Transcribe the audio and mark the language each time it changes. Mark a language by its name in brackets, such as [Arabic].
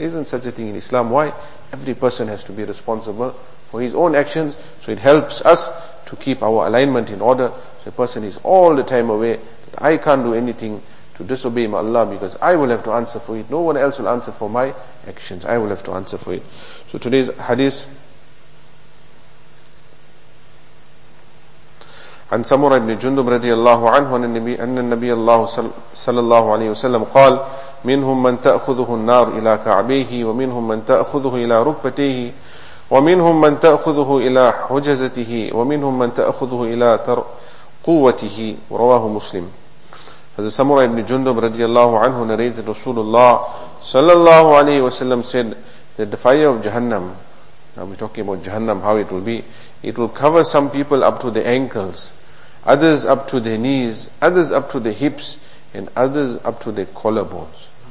[English] There isn't such a thing in Islam. Why? Every person has to be responsible for his own actions, so it helps us to keep our alignment in order. So a person is all the time aware that I can't do anything to disobey my Allah, because I will have to answer for it. No one else will answer for my actions. I will have to answer for it. [Arabic] So today's hadith, عن سمرة بن جندب رضي الله عنه أن النبي الله صلى الله عليه وسلم قال منهم من تأخذه النار إلى كعبيه ومنهم من تأخذه إلى ركبتيه ومنهم من تأخذه إلى حجزته ومنهم من تأخذه إلى قوته رواه مسلم. هذا سمرة بن جندب رضي الله عنه [English] narrated [Arabic] رسول الله صلى الله عليه وسلم [English] said that the fire of Jahannam, now we're talking about Jahannam, how it will be, it will cover some people up to the ankles, others up to the knees, others up to the hips, and others up to the collarbones.